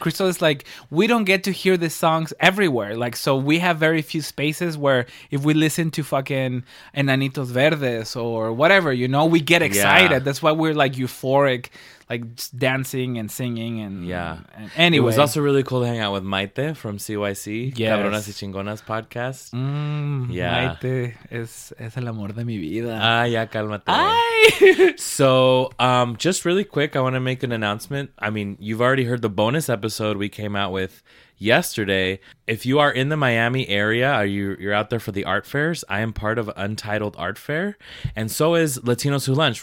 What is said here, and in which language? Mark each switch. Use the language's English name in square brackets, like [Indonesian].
[English] Crystal is like, we don't get to hear the songs everywhere. Like, so we have very few spaces where if we listen to fucking Enanitos Verdes or whatever, you know, we get excited. Yeah. That's why we're like euphoric. Like dancing and singing and yeah. Anyway, it was also really cool to hang out with Maite from CYC, yes. Cabronas y Chingonas podcast. Yeah. [Spanish] Maite es el amor de mi vida. Ah, ya cálmate. Ay. [English] So, just really quick, I want to make an announcement. I mean, you've already heard the bonus episode we came out with yesterday. If you are in the Miami area, are you're out there for the art fairs, I am part of Untitled Art Fair, and so is Latinos Who Lunch.